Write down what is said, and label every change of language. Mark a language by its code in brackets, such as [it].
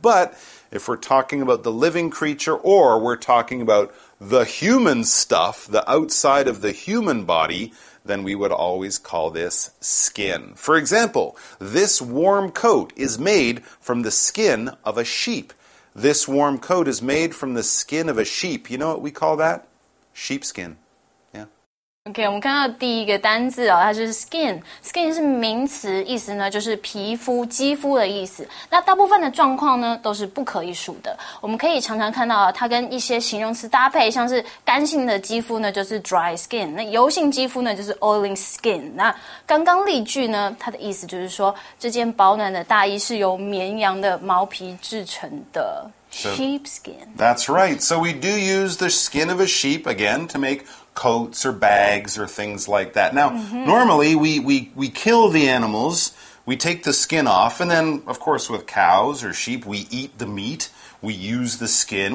[en] But if we're talking about the living creature or we're talking about the human stuff, the outside of the human body... then we would always call this skin. For example, this warm coat is made from the skin of a sheep. This warm coat is made from the skin of a sheep. You know what we call that? Sheepskin. Yeah. [zh] Okay, 我们看到第一个单字、哦、它就是 skin. Skin 是名词，意思呢就是皮肤、肌肤的意思。那大部分的状况呢都是不可以数的。我们可以常常看到它跟一些形容词搭配，像是干性的肌肤呢就是 dry skin， 那油性肌肤呢就是 oily skin。那刚刚例句呢，它的意思就是说这件保暖的大衣是由绵羊的毛皮制成的。 [en] Sheepskin. That's right. So we do use the skin of a sheep again to make. Coats or bags or things like that. Now, normally we kill the animals, we take the skin off, and then, of course, with cows or sheep, we eat the meat, we use the skin.